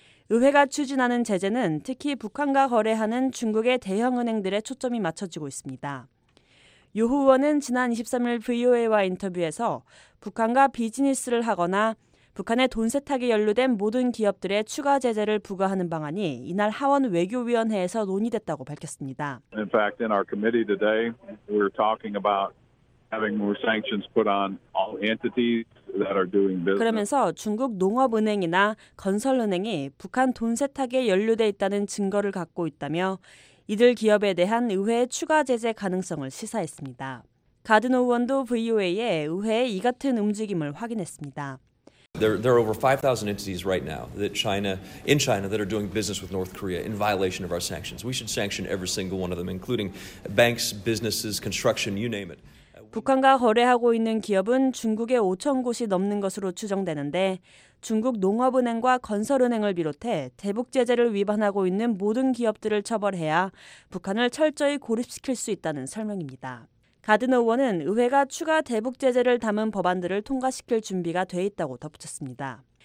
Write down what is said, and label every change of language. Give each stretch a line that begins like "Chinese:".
Korean: 의회가 추진하는 제재는 특히 북한과 거래하는 중국의 대형은행들에 초점이 맞춰지고 있습니다. 유호 의원은 지난 23일 VOA와 인터뷰에서 북한과 비즈니스를 하거나 북한의 돈세탁에 연루된 모든 기업들의 추가 제재를 부과하는 방안이 이날 하원 외교위원회에서 논의됐다고 밝혔습니다.
English: In fact, in our committee today, we're talking about having more sanctions put on all entities that are doing business.
Korean: 그러면서 중국 농업은행이나 건설은행이 북한 돈세탁에 연루돼 있다는 증거를 갖고 있다며 이들 기업에 대한 의회의 추가 제재 가능성을 시사했습니다. 가드노 의원도 VOA에 의회의 이 같은 움직임을 확인했습니다.
English: There are over 5,000 entities right now that in China that are doing business with North Korea in violation of our sanctions. We should sanction every single one of them, including banks, businesses, construction, you name it.
Korean: 북한과 거래하고 있는 기업은 중국에 5천 곳이 넘는 것으로 추정되는데 중국 농업은행과 건설은행을 비롯해 대북 제재를 위반하고 있는 모든 기업들을 처벌해야 북한을 철저히 고립시킬 수 있다는 설명입니다. 가드너 의원은 의회가 추가 대북 제재를 담은 법안들을 통과시킬 준비가 돼 있다고 덧붙였습니다.